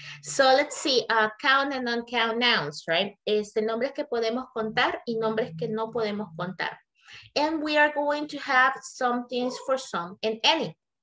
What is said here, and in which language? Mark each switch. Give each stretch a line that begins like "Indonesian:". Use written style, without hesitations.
English: So let's see, count and non-count nouns, right?
Spanish: Nombres que podemos contar y nombres que no podemos contar.
English: And we are going to have some things for some and any.